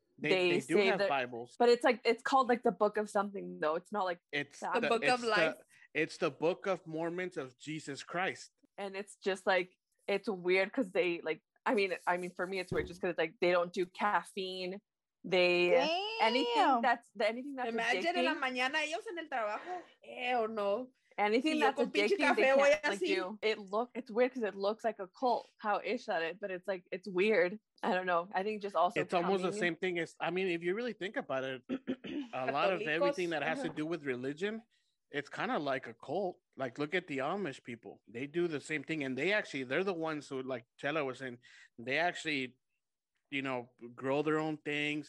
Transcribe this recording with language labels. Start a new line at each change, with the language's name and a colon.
English: They do have Bibles, but it's like it's called like the book of something though. It's not like it's the book of life. It's the Book of Mormons of Jesus Christ, and it's just like it's weird because they like. I mean, for me, it's weird just because like they don't do caffeine. Imagine
Spanish: en la mañana ellos en el trabajo, no.
English: Anything that's addicting, they can't, like, do. It's weird because it looks like a cult, how ish that is, but it's like, it's weird. I don't know. I think just also. It's almost the same thing as, I mean, if you really think about it, a lot of everything that has to do with religion, it's kind of like a cult. Like, look at the Amish people. They do the same thing, and they're the ones who, like Chela was saying, they actually, you know, grow their own things.